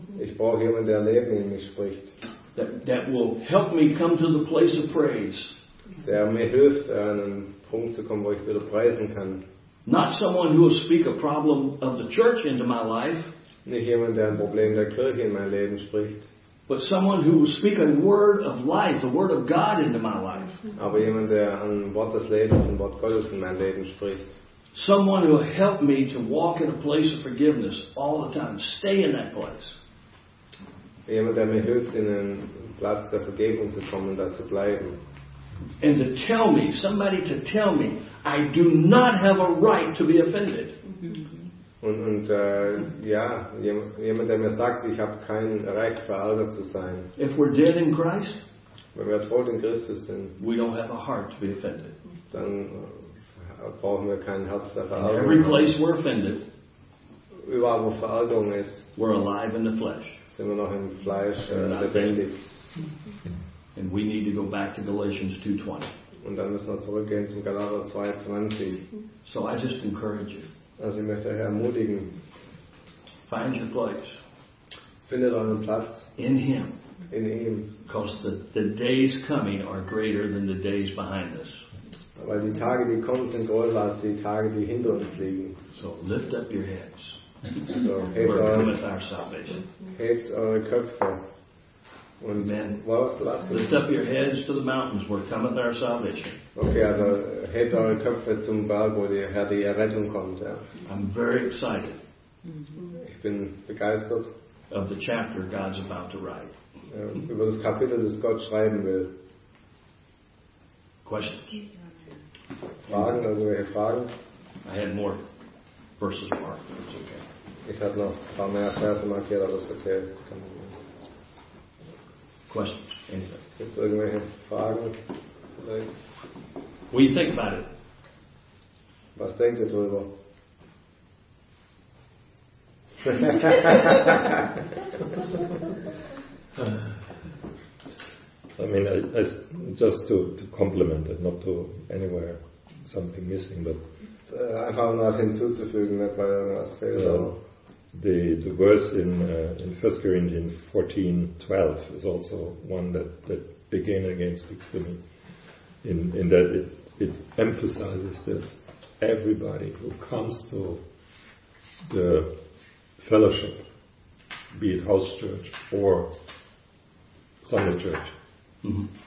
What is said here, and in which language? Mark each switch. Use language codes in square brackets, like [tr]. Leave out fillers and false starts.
[de] Ich brauche jemanden, der Leben in mich spricht. [en] that will help me come to the place of praise. [de] Der mir hilft, einen Punkt zu kommen, wo ich wieder preisen kann. [en] Not someone who will speak a problem of the church into my life. [de] Nicht jemand, der ein Problem der Kirche in mein Leben spricht. [en] But someone who will speak a word of life, a word of God into my life. [de] Aber jemand, der ein Wort des Lebens, ein Wort Gottes in mein Leben spricht. [en] Someone who will help me to walk in a place of forgiveness all the time. Stay in that place. [de] Jemand, der mir hilft, in den Platz der Vergebung zu kommen und da zu bleiben. [en] And to tell me, somebody to tell me, I do not have a right to be offended. [de] Jemand, der mir sagt, ich habe kein Recht, verärgert zu sein. [en] If we're dead in Christ, [de] wenn wir tot in Christus sind, [en] we don't have a heart to be offended. [de] Dann brauchen wir kein Herz der Verärgerung. [en] In every place we're offended, [de] überall, wo Verärgerung ist, [en] we're alive in the flesh. [de] Sind wir noch im Fleisch lebendig. [en] And we need to go back to Galatians 2:20. [de] Und dann müssen wir zurückgehen zum Galater 2:20. [en] So I just encourage you. [de] Also ich möchte euch ermutigen. [en] Find your place. [de] Findet euren Platz. [en] In Him. [de] In Ihm. [en] Because the days coming are greater than the days behind us. [de] Weil die Tage, die kommen, sind größer als die Tage, die hinter uns liegen. [en] So lift up your heads. [de] So hebt eure Köpfe. Und amen. [en] Lift up your heads to the mountains where cometh our salvation. [de] Okay, also hebt eure Köpfe zum Berg, wo der Herr die Errettung kommt. Ja. [en] I'm very excited. [de] Ich bin begeistert. [en] Of the chapter God's about to write. [de] Über das Kapitel, das Gott schreiben will. [en] Questions? [de] Fragen? Also welche Fragen? [en] I had more verses marked. It's okay. [de] Ich hatte noch ein paar mehr Verse markiert, aber es ist okay. [en] Questions? Anything? What do you think about it? [de] Was denkt ihr drüber? [en] I mean, just to complement it, not to anywhere something missing, but [de] einfach nur was hinzuzufügen, nicht weil irgendwas fehlt. [en] The verse in 1 Corinthians 14:12 is also one that again and again speaks to me. In that it emphasizes this: everybody who comes to the fellowship, be it house church or Sunday church, mm-hmm.